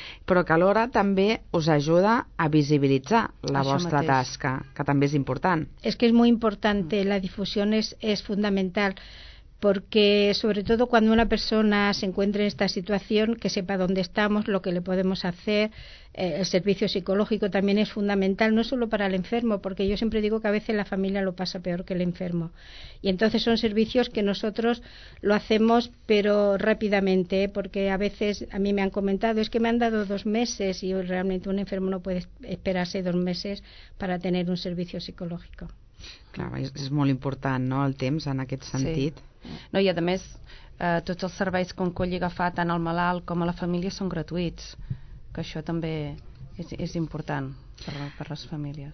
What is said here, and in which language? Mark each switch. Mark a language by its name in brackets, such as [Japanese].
[Catalan] Però que alhora també us ajuda a visibilitzar la vostra tasca, que també és important. És que és molt important, la difusió és fundamental, perquè sobretot quan una persona s'encuentra en esta situació, que sepa on estem, [Spanish] lo que le podemos hacer. El servicio psicológico también es fundamental, no solo para el enfermo, porque yo siempre digo que a veces la familia lo pasa peor que el enfermo. Y entonces son servicios que nosotros lo hacemos, pero rápidamente, porque a veces a mí me han comentado, es que me han dado 2 meses y realmente un enfermo no puede esperarse 2 meses para tener un servicio psicológico. Claro, es muy importante, ¿no?, [Catalan] el temps en aquest sentit. [Spanish] Sí. [Catalan] No, [Spanish] y además [Catalan] tots els serveis que Oncolliga fa, tant al malalt com a la família, són gratuïts. Que això també és important per les famílies.